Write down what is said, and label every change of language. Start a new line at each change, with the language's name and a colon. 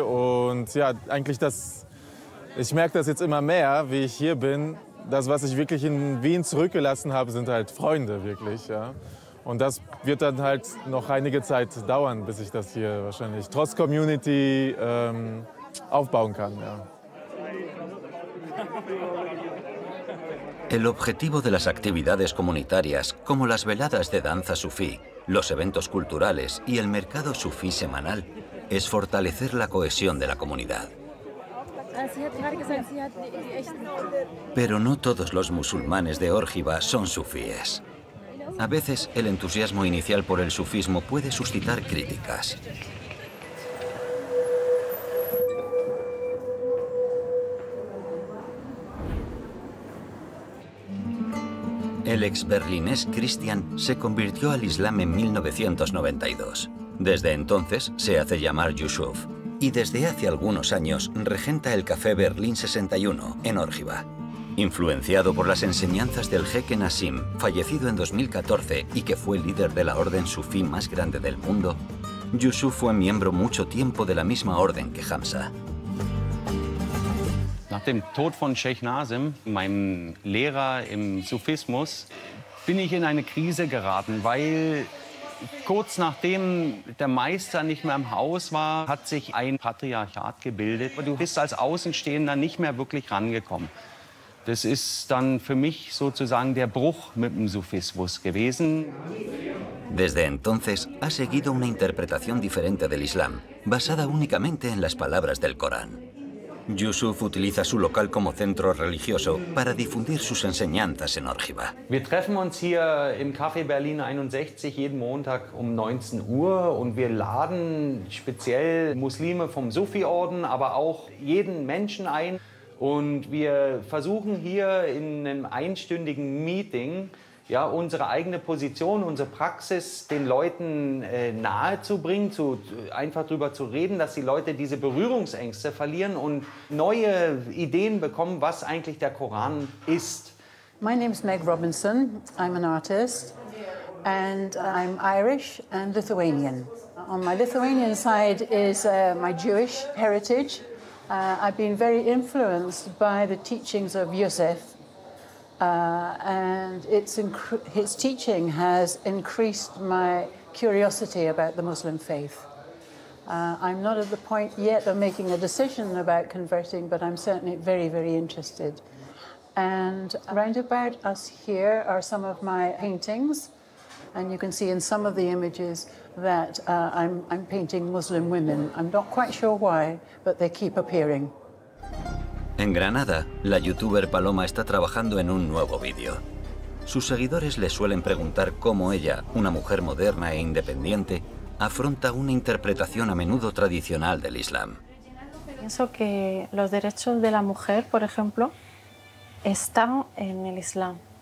German: Und ja, eigentlich das, ich merke das jetzt immer mehr, wie ich hier bin. Das, was ich wirklich in Wien zurückgelassen habe, sind halt Freunde wirklich. Ja. Und das wird dann halt noch einige Zeit dauern, bis ich das hier wahrscheinlich trotz Community aufbauen kann. Ja.
Spanish: El objetivo de las actividades comunitarias, como las veladas de danza sufí, los eventos culturales y el mercado sufí semanal, es fortalecer la cohesión de la comunidad. Pero no todos los musulmanes de Orjiva son sufíes. A veces, el entusiasmo inicial por el sufismo puede suscitar críticas. El ex-berlinés Christian se convirtió al Islam en 1992. Desde entonces se hace llamar Yusuf. Y desde hace algunos años regenta el café Berlín 61 en Orjiva. Influenciado por las enseñanzas del jeque Nassim, fallecido en 2014 y que fue líder de la orden sufí más grande del mundo, Yusuf fue miembro mucho tiempo de la misma orden que Hamza.
German: Nach dem Tod von Sheikh Nassim, meinem Lehrer im Sufismus, bin ich in eine Krise geraten, weil kurz nachdem der Meister nicht mehr im Haus war, hat sich ein Patriarchat gebildet. Du bist als Außenstehender nicht mehr wirklich rangekommen. Das ist dann für mich sozusagen der Bruch mit dem Sufismus gewesen.
Spanish: Desde entonces ha seguido una interpretación diferente del Islam, basada únicamente en las palabras del Corán. Yusuf utiliza su local como centro religioso para difundir sus enseñanzas en Orjiva.
German: Wir treffen uns hier im Café Berlin 61 jeden Montag um 19 Uhr und wir laden speziell Muslime vom Sufi-Orden, aber auch jeden Menschen ein. Und wir versuchen hier in einem einstündigen Meeting ja, unsere eigene Position, unsere Praxis den Leuten nahe zu bringen, einfach darüber zu reden, dass die Leute diese Berührungsängste verlieren und neue Ideen bekommen, was eigentlich der Koran ist.
English: My name is Meg Robinson. I'm an artist and I'm Irish and Lithuanian. On my Lithuanian side is my Jewish heritage. I've been very influenced by the teachings of Yosef. And his teaching has increased my curiosity about the Muslim faith. I'm not at the point yet of making a decision about converting, but I'm certainly very, very interested. And round about us here are some of my paintings, and you can see in some of the images that I'm painting Muslim women. I'm not quite sure why, but they keep appearing.
Spanish: En Granada, la youtuber Paloma está trabajando en un nuevo vídeo. Sus seguidores le suelen preguntar cómo ella, una mujer moderna e independiente, afronta una interpretación a menudo tradicional del Islam. Pienso que los derechos de la mujer, por ejemplo, están en el Islam.